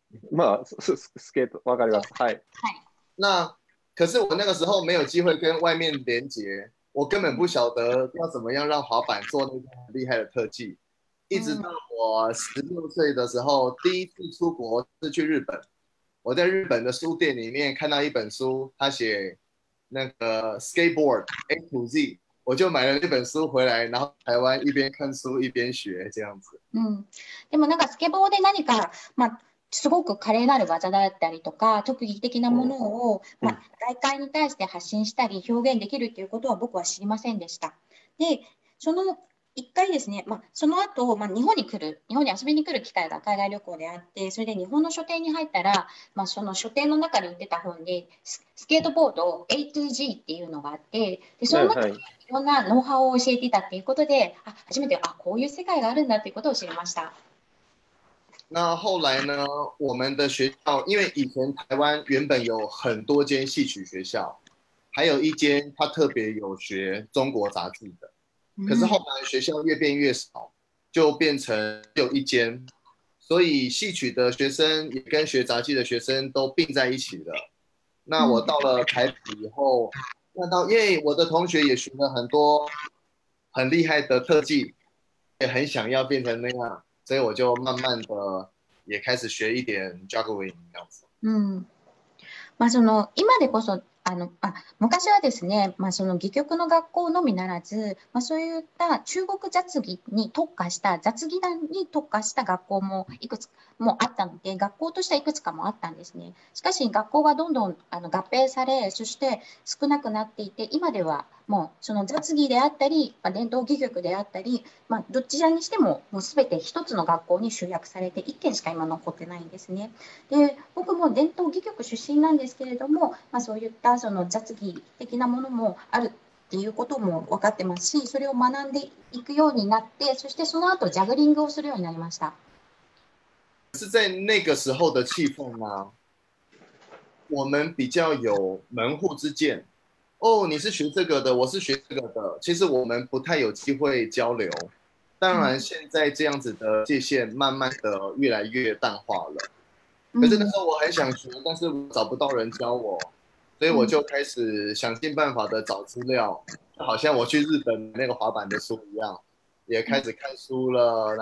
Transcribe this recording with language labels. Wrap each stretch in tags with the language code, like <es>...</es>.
<ja>まあ スケート、わかります。はい、はい、</ja> <zh>那可是我那个时候没有机会跟外面连接，我根本不晓得要怎么样让滑板做那个很厉害的特技。一直到我16岁的时候，第一次出国是去日本。我在日本的书店里面看到一本书，他写那个 skateboard A to Z， 我就买了那本书回来，然后台湾一边看书一边学这样子。</zh> <ja>嗯，でもなんかスケボーで何か、まあすごく華麗なる技だったりとか特技的なものを、まあ、大会に対して発信したり表現できるということは僕は知りませんでした。で、その一回ですね、まあ、その後、まあ、日本に来る、日本に遊びに来る機会が海外旅行であって、それで日本の書店に入ったら、まあ、その書店の中に売ってた本で、スケートボード A to G っていうのがあって、でその中にいろんなノウハウを教えていたということで、はい、あ初めてあこういう世界があるんだということを知りました。</ja> <zh>那后来呢？我们的学校，因为以前台湾原本有很多间戏曲学校，还有一间他特别有学中国杂志的。可是后来学校越变越少，就变成有一间，所以戏曲的学生也跟学杂志的学生都并在一起了。那我到了台北以后，看到耶，我的同学也学了很多很厉害的特技，也很想要变成那样。所以我就慢慢的也开始学一点 juggling 这样子。</zh> <ja>嗯，まあその今でこそあのあ昔はですね、まあその戯曲の学校のみならず、まあそういった中国雑技に特化した雑技団に特化した学校もいくつもあったので、学校としてはいくつかもあったんですね。しかし学校がどんどんあの合併され、そして少なくなっていて、今ではもうその雑技であったり、まあ、伝統戯曲であったり、まあ、どちらにしてももう全て一つの学校に集約されて1軒しか今残ってないんですね。で、僕も伝統戯曲出身なんですけれども、まあ、そういったその雑技的なものもあるっていうことも分かってますし、それを学んでいくようになって、そしてその後ジャグリングをするようになりました。</ja> <zh>是在那个时候的气氛吗？我们比较有门户之见。哦，你是学这个的，我是学这个的。其实我们不太有机会交流。当然，现在这样子的界限慢慢的越来越淡化了。可是那时候我很想学，但是找不到人教我，所以我就开始想尽办法的找资料，好像我去日本那个滑板的书一样，也开始看书了。</zh>